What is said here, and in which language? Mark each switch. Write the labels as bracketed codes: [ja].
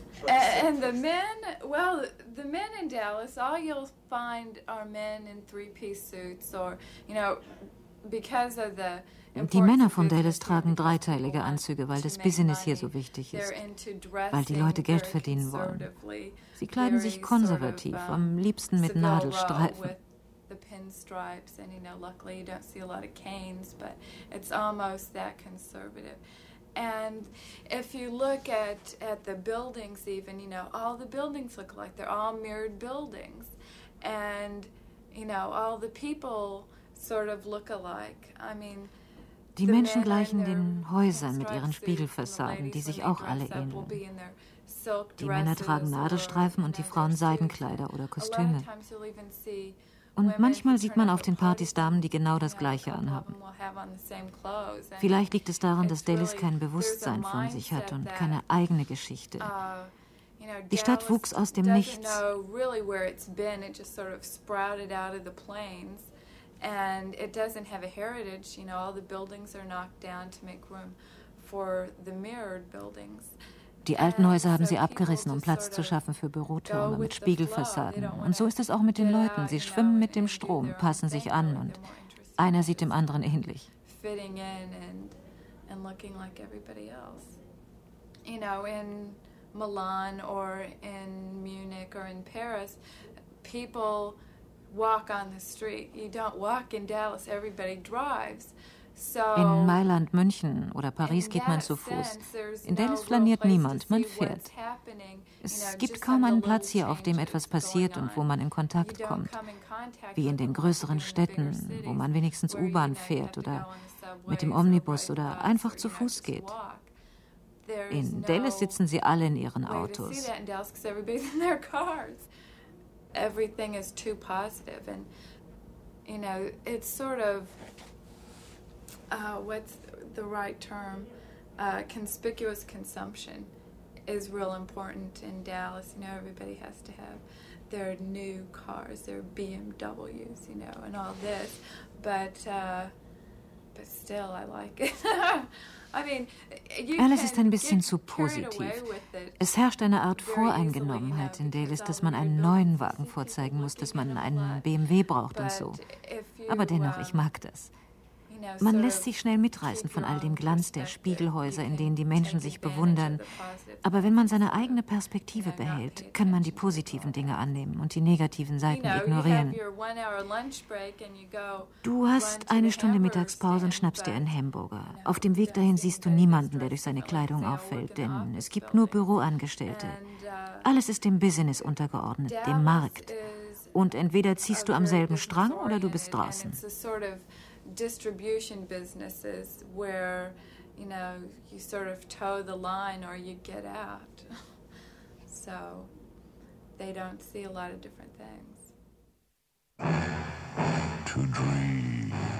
[en] And the men, well, the men in Dallas, all you'll find are men in three-piece suits or, you know, because of the. [de] Die Männer von Dallas tragen dreiteilige Anzüge, weil das Business hier so wichtig ist, weil die Leute Geld verdienen wollen. Sie kleiden sich konservativ, am liebsten mit Nadelstreifen. [en] And if you look at the buildings even, you know, all the buildings look like they're all mirrored buildings. And, you know, all the people sort of look alike. I mean, [de] die Menschen gleichen den Häusern mit ihren Spiegelfassaden, die sich auch alle ähneln. Die Männer tragen Nadelstreifen und die Frauen Seidenkleider oder Kostüme. Und manchmal sieht man auf den Partys Damen, die genau das Gleiche anhaben. Vielleicht liegt es daran, dass Dallas kein Bewusstsein von sich hat und keine eigene Geschichte. Die Stadt wuchs aus dem Nichts. [en] And it doesn't have a heritage, you know, all the buildings are knocked down to make room for the mirrored buildings. [de] Die alten Häuser haben sie abgerissen, um Platz zu schaffen für Bürotürme mit Spiegelfassaden. Und so ist es auch mit den Leuten. Sie schwimmen mit dem Strom, passen sich an und einer sieht dem anderen ähnlich. [en] Fitting in and looking like everybody else. You know, in Milan or in Munich or in Paris, people walk on the street. You don't walk in Dallas, everybody drives. So [de] in Mailand, München oder Paris geht man zu Fuß. In Dallas flaniert niemand, man fährt. Es gibt kaum einen Platz hier, auf dem etwas passiert und wo man in Kontakt kommt. Wie in den größeren Städten, wo man wenigstens U-Bahn fährt oder mit dem Omnibus oder einfach zu Fuß geht. In Dallas sitzen sie alle in ihren Autos. [en] Everything is too positive, and you know, it's sort of what's the right term? Conspicuous consumption is real important in Dallas. You know, everybody has to have their new cars, their BMWs, you know, and all this, but still, I like it. [de] Alles ist ein bisschen zu positiv. Es herrscht eine Art Voreingenommenheit in Dallas, dass man einen neuen Wagen vorzeigen muss, dass man einen BMW braucht und so. Aber dennoch, ich mag das. Man lässt sich schnell mitreißen von all dem Glanz der Spiegelhäuser, in denen die Menschen sich bewundern. Aber wenn man seine eigene Perspektive behält, kann man die positiven Dinge annehmen und die negativen Seiten ignorieren. Du hast eine Stunde Mittagspause und schnappst dir einen Hamburger. Auf dem Weg dahin siehst du niemanden, der durch seine Kleidung auffällt, denn es gibt nur Büroangestellte. Alles ist dem Business untergeordnet, dem Markt. Und entweder ziehst du am selben Strang oder du bist draußen. [en] Distribution businesses where, you know, you sort of toe the line or you get out. So they don't see a lot of different things. To dream.